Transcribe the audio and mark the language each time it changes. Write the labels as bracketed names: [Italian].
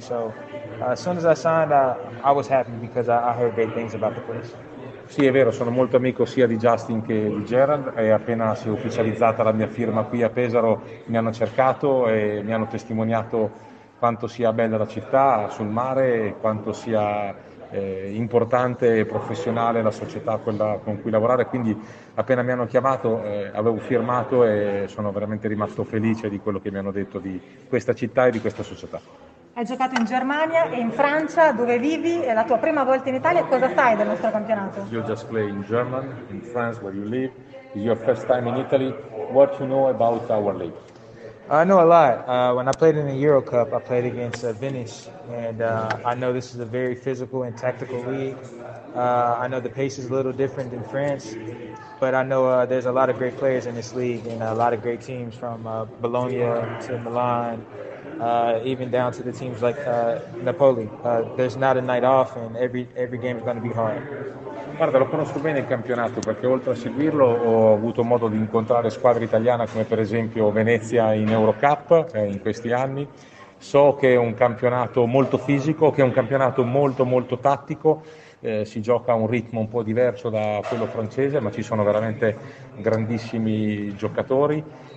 [English] So as soon as I signed, I was happy because I heard great things about the place. [Italian] Sì, è vero, sono molto amico sia di Justin che di Gerald, e appena si è ufficializzata la mia firma qui a Pesaro mi hanno cercato e mi hanno testimoniato quanto sia bella la città sul mare e quanto sia importante e professionale la società quella con cui lavorare. Quindi appena mi hanno chiamato avevo firmato e sono veramente rimasto felice di quello che mi hanno detto di questa città e di questa società. Hai giocato in Germania e in Francia, dove vivi, è la tua prima volta in Italia. Cosa sai del nostro campionato? [English] You just play in Germany, in France where you live. It's your first time in Italy. What you know about our league? I know a lot. When I played in the Euro Cup, I played against Venice, and I know this is a very physical and tactical league. I know the pace is a little different than France, but I know there's a lot of great players in this league and a lot of great teams from Bologna to Milan, even down to the teams like Napoli. There's not a night off, and every game is going to be hard. [Italian] Guarda, lo conosco bene il campionato perché oltre a seguirlo ho avuto modo di incontrare squadre italiane come per esempio Venezia in Eurocup in questi anni. So che è un campionato molto fisico, che è un campionato molto molto tattico, si gioca a un ritmo un po' diverso da quello francese, ma ci sono veramente grandissimi giocatori.